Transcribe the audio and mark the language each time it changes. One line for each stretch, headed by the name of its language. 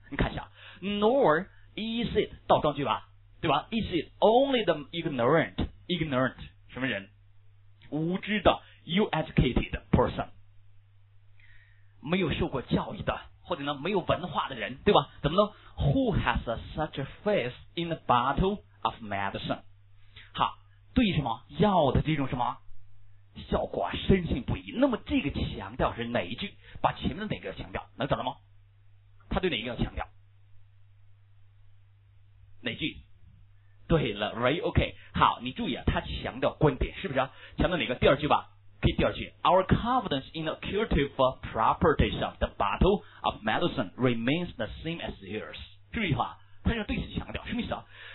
Chinese: 你看一下
English: ，nor is it
Chinese: 倒装句吧，对吧
English: ？Is it only the ignorant
Chinese: 什么人？无知的 ，
English: uneducated person，
Chinese: 没有受过教育的。或者呢，没有文化的人，对吧？怎么呢
English: ？Who has a such a faith in the bottle of medicine？
Chinese: 好，对什么药的这种什么效果深信不疑。那么这个强调是哪一句？把前面的哪个强调？能找到吗？他对哪一个要强调？哪句？对了 ，right？ OK， 好，你注意啊，他强调观点是不是？强调哪个？第二句吧。可以第二句
English: ，Our confidence in the curative properties of the bottle of medicine remains the same as yours。
Chinese: 注意哈，他要对此强调，什么意思啊？